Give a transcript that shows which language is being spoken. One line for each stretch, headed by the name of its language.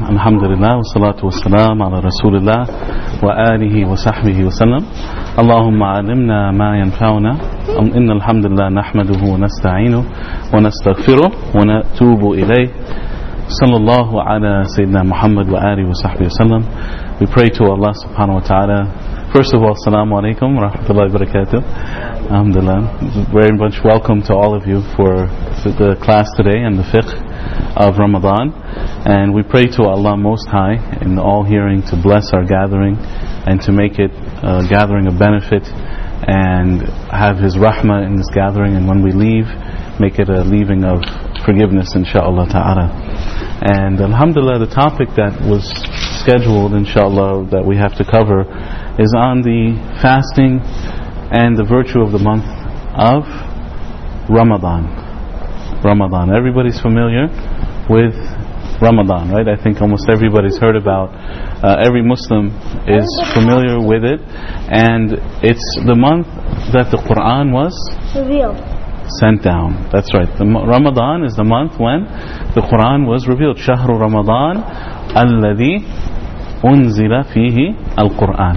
Arabic: الحمد لله والصلاة والسلام على رسول الله وآله وصحبه وسلم. اللهم علمنا ما ينفعنا، إن الحمد لله نحمده ونستعينه ونستغفره ونتوب إليه. صلى الله على سيدنا محمد وآله وصحبه وسلم.
English: We pray to Allah سبحانه وتعالى. First of all,
Arabic: السلام عليكم ورحمة الله وبركاته. Alhamdulillah.
English: Very much welcome to all of you for the class today and the fiqh of Ramadan. And we pray to Allah Most High in all hearing to bless our gathering and to make it a gathering of benefit and have His rahmah in this gathering. And when we leave, make it a leaving of forgiveness, inshaAllah ta'ala. And Alhamdulillah, the topic that was scheduled, inshaAllah, that we have to cover is on the fasting and the virtue of the month of Ramadan. Ramadan. Everybody's familiar with Ramadan, right? I think almost everybody's heard about. Every Muslim is familiar with it. And it's the month that the Quran was revealed. Sent down. That's right. Ramadan is the month when the Quran was revealed.
Arabic: شهر رمضان الذي أنزل فيه القرآن.